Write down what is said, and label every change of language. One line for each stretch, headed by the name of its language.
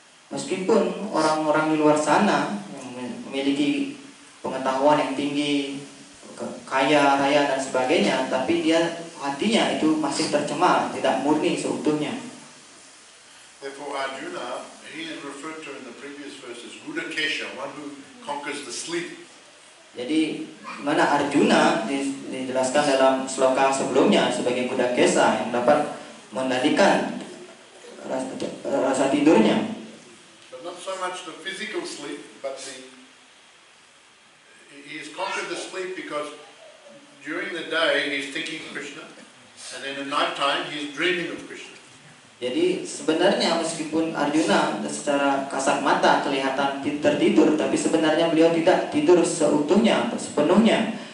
Indonesian: Meskipun orang-orang di luar sana memiliki pengetahuan yang tinggi, kaya raya dan sebagainya, tapi dia hatinya itu masih tercemar, tidak murni seutuhnya.
English: Therefore Arjuna, he is referred to in the previous verses, Gudakesha, one who conquers the sleep.
Indonesian: Jadi mana Arjuna dijelaskan dalam sloka sebelumnya sebagai Gudakesha yang dapat mengendalikan rasa tidurnya.
English: But not so much the physical sleep, but the he has conquered the sleep because during the day he is thinking Krishna, and then at night time he is dreaming of Krishna.
Indonesian: Jadi sebenarnya meskipun Arjuna secara kasat mata kelihatan tertidur, tapi sebenarnya beliau tidak tidur seutuhnya, sepenuhnya.